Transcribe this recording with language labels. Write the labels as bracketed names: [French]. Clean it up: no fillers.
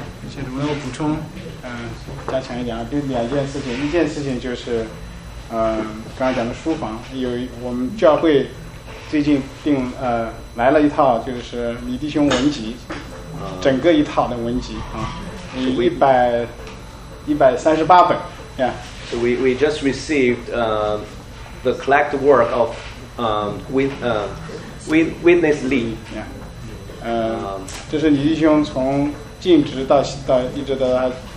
[Chinese] 谢主，我补充，加强一点啊，就两件事情。一件事情就是。刚才讲的书房，有我们教会最近订来了一套，就是李弟兄文集，整个一套的文集啊，138本 ，Yeah. [English] So we just received the collect work of Witness Lee. Yeah. [Chinese] 这是李弟兄从尽职到一直到他。